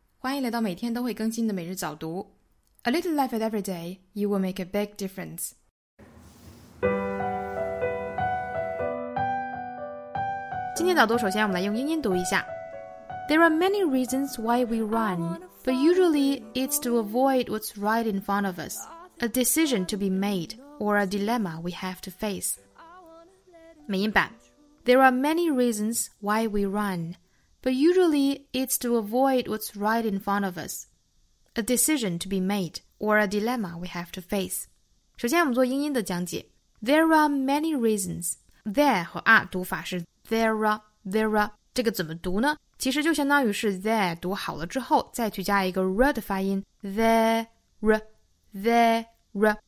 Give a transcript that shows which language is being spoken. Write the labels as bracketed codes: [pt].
[zh] 欢迎来到每天都会更新的每日早读。 [en] A little life at every day, you will make a big difference. [zh] 今天早读首先我们来用英音读一下。 [en] There are many reasons why we run, but usually it's to avoid what's right in front of us, a decision to be made, or a dilemma we have to face. [zh] 美音版。 [en] There are many reasons why we run,But usually, it's to avoid what's right in front of us. A decision to be made, or a dilemma we have to face. [zh] 首先我们做英音的讲解。 [en] There are many reasons. [zh] There 和 are 读法是 there are. 这个怎么读呢？其实就相当于是 there 读好了之后，再去加一个 r 的发音。 [en] There.